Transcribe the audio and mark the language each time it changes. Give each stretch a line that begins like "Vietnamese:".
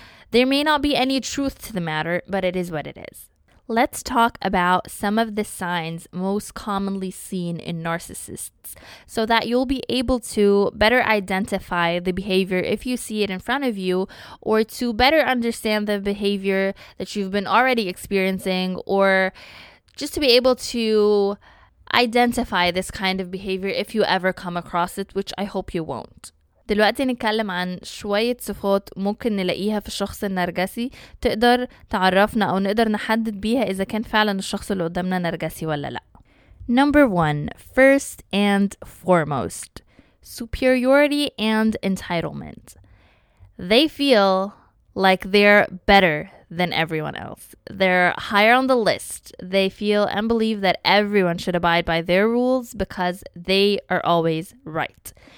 English: There may not be any truth to the matter, but it is what it is. Let's talk about some of the signs most commonly seen in narcissists so that you'll be able to better identify the behavior if you see it in front of you, or to better understand the behavior that you've been already experiencing, or just to be able to identify this kind of behavior if you ever come across it, which I hope you won't.
Arabic: دلوقتي نتكلم عن شوية صفات ممكن نلاقيها في الشخص النرجسي تقدر تعرفنا أو نقدر نحدد بيها إذا كان فعلا الشخص اللي قدامنا نرجسي ولا لا.
English: Number one, first and foremost, superiority and entitlement. They feel like they're better than everyone else. They're higher on the list. They feel and believe that everyone should abide by their rules because they are always right.